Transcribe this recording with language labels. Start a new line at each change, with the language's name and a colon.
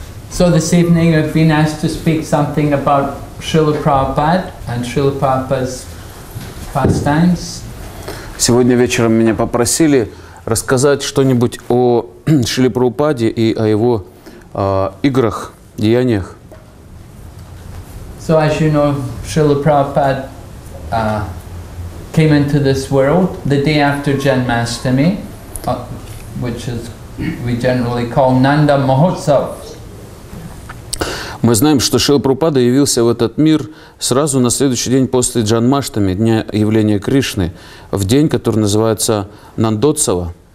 English: So this evening I've been asked to speak something about Srila Prabhupada and Srila Prabhupada's pastimes.
Russian: Сегодня вечером меня попросили рассказать что-нибудь о Шриле Прабхупаде и о его играх, деяниях.
English: So as you know, Srila Prabhupada came into this world the day after Janmashtami, which is we generally call Nanda Mahotsav.
Russian: Мы знаем, что Шрила Прабхупада явился в этот мир сразу на следующий день после Джанмаштами, дня явления Кришны, в день, который называется Нандотсава.